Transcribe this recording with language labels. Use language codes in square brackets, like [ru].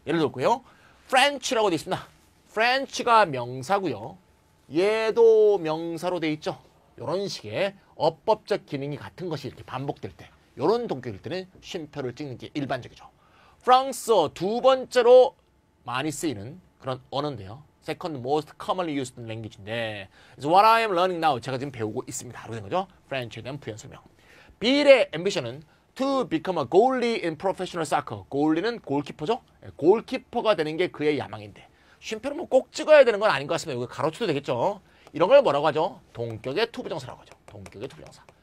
[ko] 예를 들고요. French라고 되어 있습니다. French가 명사고요. 얘도 명사로 되어 있죠. 이런 식의 어법적 기능이 같은 것이 이렇게 반복될 때. 이런 동격일 때는 쉼표를 찍는 게 일반적이죠. 프랑스어 두 번째로 많이 쓰이는 그런 언어인데요. [en] Second most commonly used language인데 It's what I am learning now. [ko] 제가 지금 배우고 있습니다. 라고 된 거죠. French에 대한 부연 설명. Bill의 ambition은 [en] To become a goalie in professional soccer. [ko] Goalie는 골키퍼죠. 골키퍼가 되는 게 그의 야망인데 쉼표는 뭐 꼭 찍어야 되는 건 아닌 것 같습니다. 여기 가로치도 되겠죠. 이런 걸 뭐라고 하죠? 동격의 투부정사라고 하죠. 동격의 투부정사.